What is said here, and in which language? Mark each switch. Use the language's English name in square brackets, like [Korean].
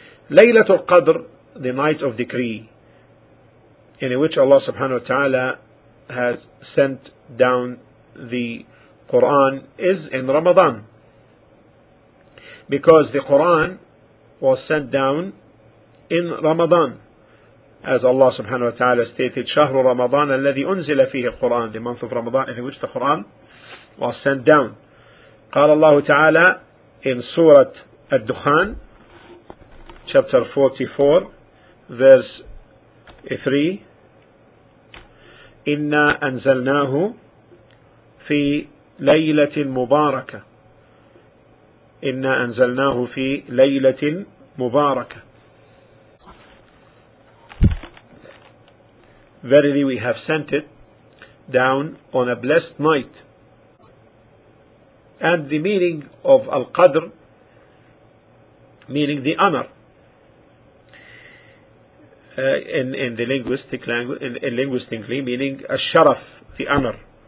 [English] Laylatul Qadr, the night of decree, in which Allah subhanahu wa ta'ala has sent down the Quran, is in Ramadan. Because the Quran was sent down in Ramadan. As Allah subhanahu wa ta'ala stated, [Arabic] شهر رمضان الذي أنزل فيه القرآن, [English] the month of Ramadan in which the Quran was sent down. [Arabic] قال الله تعالى [English] in Surah Al-Dukhan, chapter 44, verse 3, [Arabic] إِنَّا أَنزَلْنَاهُ فِي لَيْلَةٍ مُبَارَكَةٍ. إنا أنزلناه في ليلة مباركة. [English] Verily we have sent it down on a blessed night. And the meaning of Al-Qadr, meaning the honor, in the linguistic language, in linguistically, meaning al-sharaf, the honor.